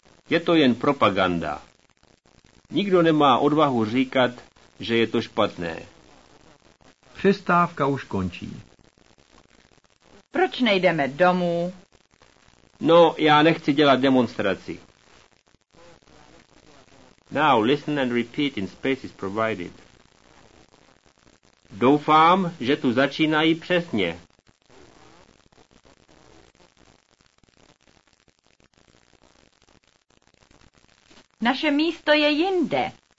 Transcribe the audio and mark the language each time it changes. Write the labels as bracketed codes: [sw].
[cs] Je to jen propaganda. Nikdo nemá odvahu říkat, že je to špatné. Přestávka už končí. Proč nejdeme domů? No, já nechci dělat demonstraci. [en] Now listen and repeat in spaces provided. [cs] Doufám, že tu začínají přesně. Naše místo je jinde.